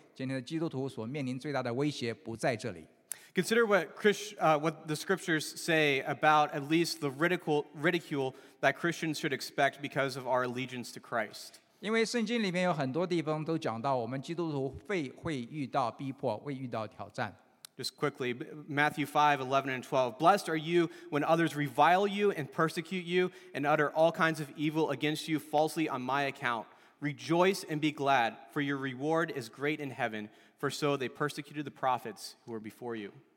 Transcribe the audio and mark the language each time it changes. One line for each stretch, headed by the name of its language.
Chinese: 当然这个挑战对于我们来说是非常大的，但我认为今天教会，今天的基督徒所面临最大的威胁不在这里。
English: Consider what the scriptures say about at least the ridicule that Christians should expect because of our allegiance to Christ.
Chinese: 因为圣经里面有很多地方都讲到我们基督徒会遇到逼迫，会遇到挑战。
English: Just quickly, Matthew 5, 11 and 12. Blessed are you when others revile you and persecute you and utter all kinds of evil against you falsely on my account. Rejoice and be glad, for your reward is great in heaven, for so they persecuted the prophets who were before you.